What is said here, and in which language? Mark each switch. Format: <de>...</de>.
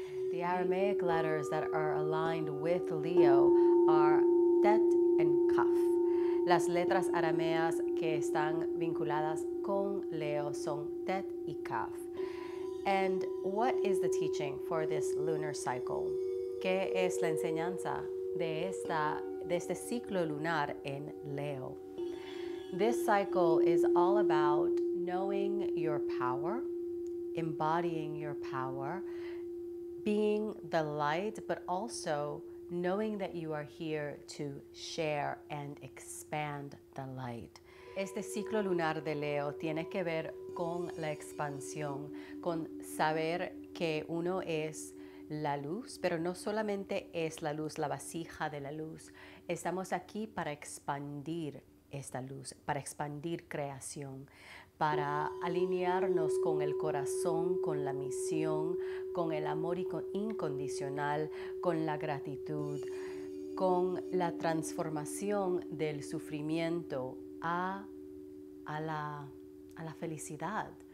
<en>The Aramaic letters that are aligned with Leo are Tet and Kaf.</en> <es>Las letras arameas que están vinculadas con Leo son Tet y Kaf.</es> <en>And what is the teaching for this lunar cycle?</en> <es>¿Qué es la enseñanza de este ciclo lunar en Leo?</es> <en>This cycle is all about knowing your power, embodying your power, being the light, but also knowing that you are here to share and expand the light.</en> <es>Este ciclo lunar de Leo tiene que ver con la expansión, con saber que uno es la luz, pero no solamente es la luz, la vasija de la luz. Estamos aquí para expandir esta luz, para expandir creación, para alinearnos con el corazón, con la misión, con el amor incondicional, con la gratitud, con la transformación del sufrimiento a la felicidad.</es>